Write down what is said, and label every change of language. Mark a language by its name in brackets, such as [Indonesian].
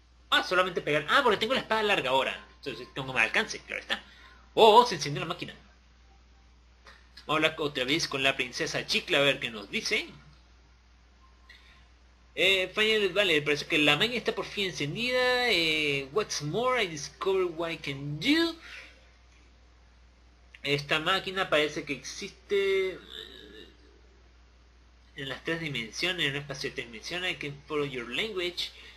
[Spanish] Ah, solamente pegar. Ah, porque tengo la espada larga ahora. Entonces tengo más alcance. Claro está. Oh, se encendió la máquina. Vamos a hablar otra vez con la princesa Chicle a ver qué nos dice. Vale, parece que la máquina está por fin encendida. [English] What's more, I discovered what I can do. [Spanish] Esta máquina parece que existe en las tres dimensiones, en un espacio de tres dimensiones. [English] I can follow your language.